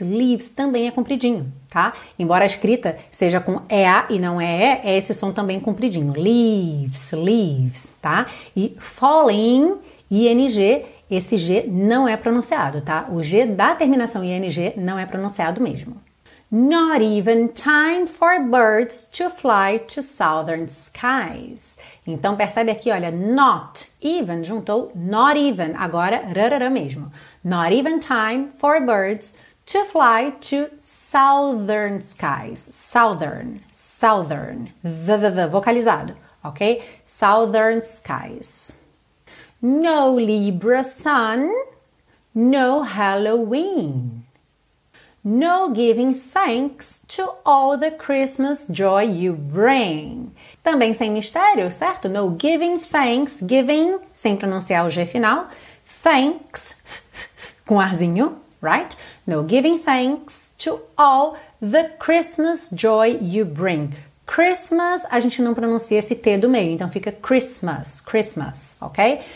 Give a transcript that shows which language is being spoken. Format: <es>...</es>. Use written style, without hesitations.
<pt>Leaves também é compridinho, tá? Embora a escrita seja com EA e não EE, é esse som também compridinho. Leaves, leaves, tá? E falling, ING, esse G não é pronunciado, tá? O G da terminação ING não é pronunciado mesmo.</pt> <en>Not even time for birds to fly to southern skies.</en> <pt>Então percebe aqui, olha, not even, juntou not even, agora rarara mesmo.</pt> <en>Not even time for birds to fly to southern skies.</en> <pt>Southern, southern, v, vocalizado, ok?</pt> <en>Southern skies. No Libra sun, no Halloween. No giving thanks to all the Christmas joy you bring.</en> <pt>Também sem mistério, certo?</pt> <en>No giving thanks,</en> <pt>giving, sem pronunciar o G final, thanks, com arzinho, right?</pt> <en>No giving thanks to all the Christmas joy you bring.</en> <pt>Christmas, a gente não pronuncia esse T do meio, então fica Christmas, Christmas, ok?</pt>